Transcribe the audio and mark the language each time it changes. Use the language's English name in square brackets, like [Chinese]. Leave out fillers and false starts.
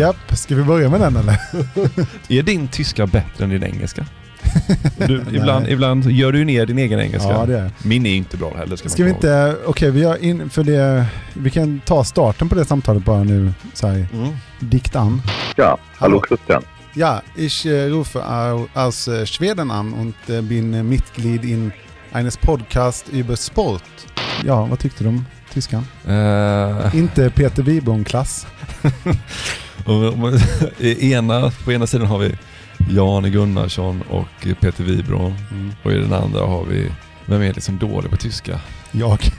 [Swedish] Japp, ska vi börja med den eller? Är din tyska bättre än din engelska? Du, ibland gör du ner din egen engelska. Ja, det är. Min är inte bra heller. Ska vi inte, okej, vi gör in, för det, vi kan ta starten på det samtalet bara nu. Dikt an. Ja, hallå Christian. [German] Ja, ich rufe aus Schweden an und bin Mitglied in eines Podcast über Sport. [Swedish] Ja, vad tyckte du om tyskan? Inte Peter Wibon-klass. På ena sidan har vi Jan Gunnarsson och Peter Wibon. Mm. Och i den andra har vi, vem är liksom dålig på tyska? Jag.